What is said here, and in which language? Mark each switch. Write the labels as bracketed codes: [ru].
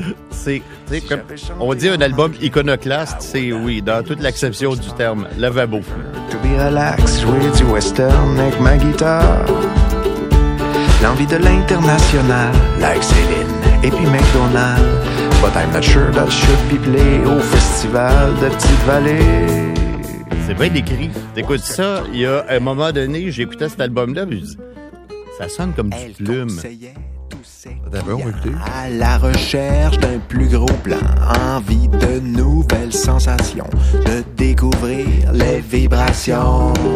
[fr] C'est, tu sais, comme on dit un album iconoclaste, c'est, oui, dans toute l'acception du terme, Lavabo. [en] To be relax, [fr] jouer du western avec ma guitare. L'envie de l'international, like Céline et puis McDonald's. [en] But I'm not sure that should be played [fr] au festival de Petite Vallée. C'est bien écrit. T'écoutes ça, il y a un moment donné, j'écoutais cet album-là, puis ça sonne comme du Plume. À la recherche d'un plus gros plan, envie de nouvelles sensations, de découvrir les vibrations.